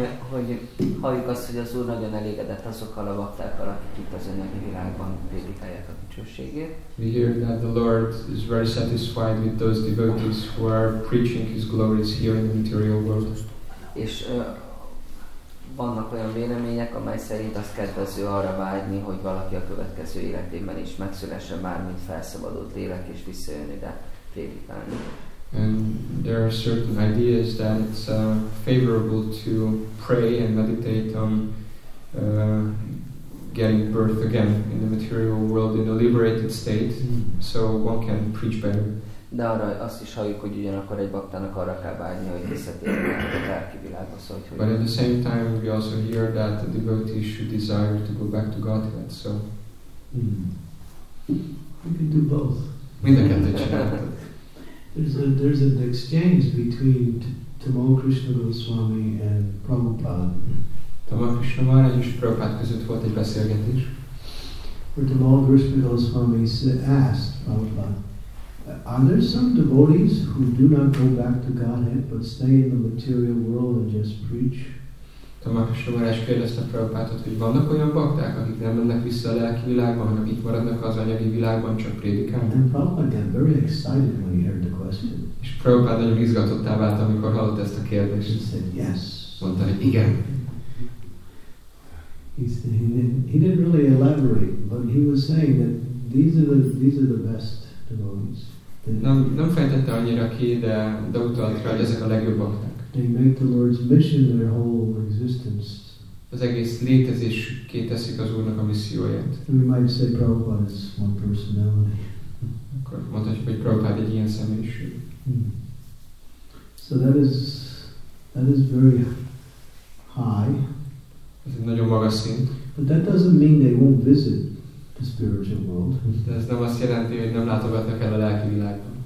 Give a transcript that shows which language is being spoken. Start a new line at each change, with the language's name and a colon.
Hungarian: Hogy halljuk azt, hogy az Úr nagyon elégedett azokkal a baktákkal, akik itt az anyagi világban prédikálják a dicsőségét.
English: We hear that the Lord is very satisfied with those devotees who are preaching His glories here in the material world.
Hungarian: És vannak olyan vélemények, amely szerint az kedvező arra vágyni, hogy valaki a következő életében is megszülesse bármint felszabadult lélek és visszajön ide prédikálni.
English: And there are certain ideas that it's favorable to pray and meditate on getting birth again in the material world in a liberated state, so one can preach better.
Hungarian: De arra azt is halljuk, hogy ugyanakkor egy baktának arra kell bánni, hogy visszatérjen a lelki világba.
English: But at the same time, we also hear that the devotee should desire to go back to Godhead, so. You can do both.
Hungarian: Mindenkettőt csinálhatod.
English: There's an exchange between Tamo Krishna Goswami and Prabhupada.
Hungarian: Tamo Krishna Maharaj és Prabhupada között volt egy beszélgetés.
English: Where Tamo Krishna Goswami asked Prabhupada, are there some devotees who do not go back to Godhead but stay in the material world and just preach?
Hungarian: Tamo Krishna Maharaj kérdezte Prabhupádot, hogy vannak olyan bakták, akik nem mennek vissza a lelki világba, hanem itt maradnak az anyagi világban, csak prédikálnak.
English: And Prabhupada got very excited when he heard the question.
Hungarian: És Prabhupada nagyon izgatottá vált, amikor hallott ezt a kérdést.
English: He said yes.
Hungarian: Mondta, hogy igen.
English: He said he didn't really elaborate, but he was saying that these are the best devotees.
Hungarian: Nem fejtette annyira ki, de utalt rá, hogy ezek a legjobb bakták.
English: They make the Lord's mission their whole existence.
Hungarian: Az egész létezésüket teszik az Úrnak a misszióját.
English: We might say Prabhupada is one personality.
Hungarian: Akkor mondhatjuk, hogy Prabhupada egy ilyen személyiség.
English: So that is very high.
Hungarian: Ez egy nagyon magas szint.
English: But that doesn't mean they won't visit the spiritual world.
Hungarian: De ez nem azt jelenti, hogy nem látogatnak el a lelki világban.